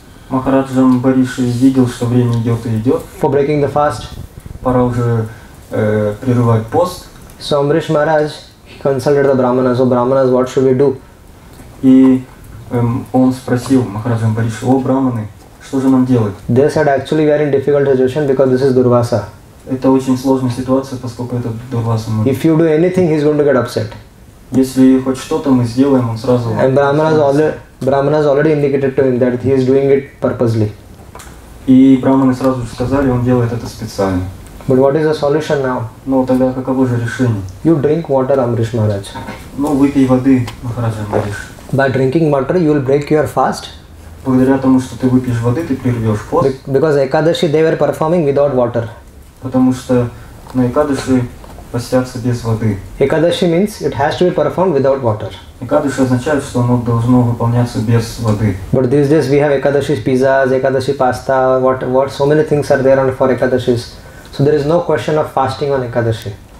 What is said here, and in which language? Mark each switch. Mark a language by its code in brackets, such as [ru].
[ru] Махараджам Бариш видел, что время идет и идет. [en] For breaking the fast. [ru] Пора уже прерывать пост. [en] So Amrish Maharaj consulted the brahmanas. So brahmanas, what should we do? [ru] И он спросил Махараджам Бариш: О брахманы, что же нам делать? [en] They said actually we are in difficult situation because this is Дурваса. [ru] Это очень сложная ситуация, поскольку это Дурваса. [en] If you do anything, he is going to get upset. [ru] Если хоть что-то мы сделаем, он сразу. [en] And brahmanas already indicated to him that he is doing it purposely. [ru] И брахманы сразу же сказали, он делает это специально. [en] But what is the solution now? [ru] Ну тогда каково же решение? [en] You drink water, Amrish Maharaj. [ru] Ну выпей воды, Махараджа Амриш. [en] By drinking water, you will break your fast. [ru] Благодаря тому, что ты выпьешь воды, ты прервешь пост. [en] Because Ekadashi they were performing without water. [ru] Потому что на Экадаши постятся без воды. [en] Ekadashi means it has to be performed without water. [ru] Ekadashi означает, что оно должно выполняться без воды. [en] But these days we have Ekadashi pizzas, Ekadashi pasta, what so many things are there on for Ekadashis. So there is no question of fasting on Ekadashi.